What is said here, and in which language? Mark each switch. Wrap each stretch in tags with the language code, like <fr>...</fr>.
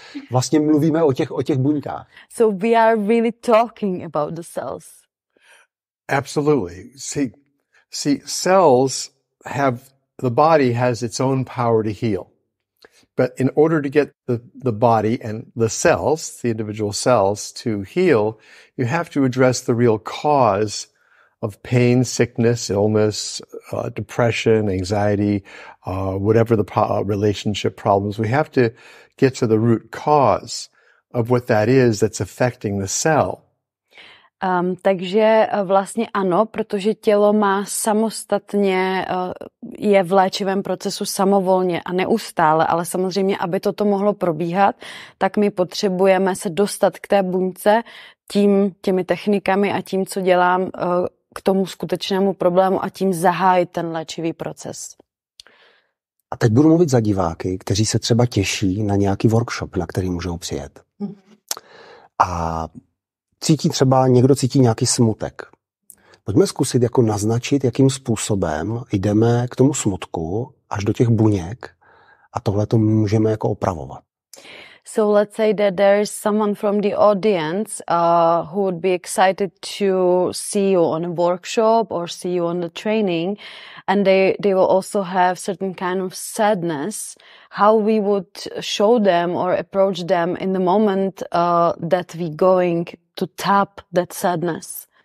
<cs>Vlastně mluvíme o těch buňkách.</cs> <en>So we are really talking about the cells. Absolutely. See, cells have, the body has its own power to heal. But in order to get the body and the cells, the individual cells, to heal, you have to address the real cause of pain, sickness, illness, depression, anxiety, whatever the relationship problems. We have to get to the root cause of what that is that's affecting the cell.</en> <cs>Takže vlastně ano, protože tělo má samostatně, je v léčivém procesu samovolně a neustále, ale samozřejmě, aby toto mohlo probíhat, tak my potřebujeme se dostat k té buňce těmi technikami a tím, co dělám, k tomu skutečnému problému a tím zahájit ten léčivý proces. A teď budu mluvit za diváky, kteří se třeba těší na nějaký workshop, na který můžou přijet. A cítí třeba, někdo cítí nějaký smutek. Pojďme zkusit jako naznačit, jakým způsobem jdeme k tomu smutku až do těch buněk a tohle to můžeme jako opravovat.</cs> <en>So let's say that there is someone from the audience who would be excited to see you on a workshop or see you on the training and they will also have certain kind of sadness. How we would show them or approach them in the moment that we going to tap that sadness?</en>